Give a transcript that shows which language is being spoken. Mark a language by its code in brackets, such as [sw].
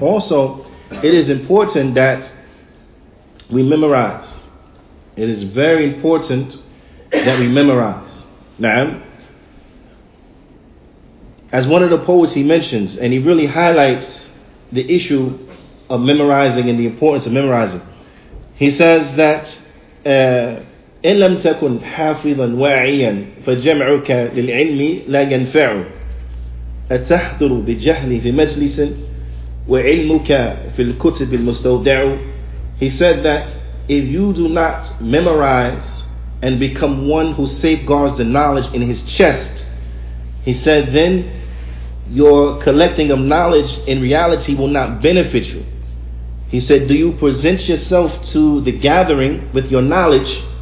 [en] Also, it is important that we memorize. It is very important that we memorize. Now, as one of the poets he mentions, and he really highlights the issue of memorizing and the importance of memorizing. He says that [ar] إن لم تكن حافظا واعيا فجمعك للعلم لا ينفع أتحضر بجهل في مجلس وعلمك في الكتب المستودع. [en] He said that if you do not memorize and become one who safeguards the knowledge in his chest, he said, then your collecting of knowledge in reality will not benefit you. He said, do you present yourself to the gathering with your knowledge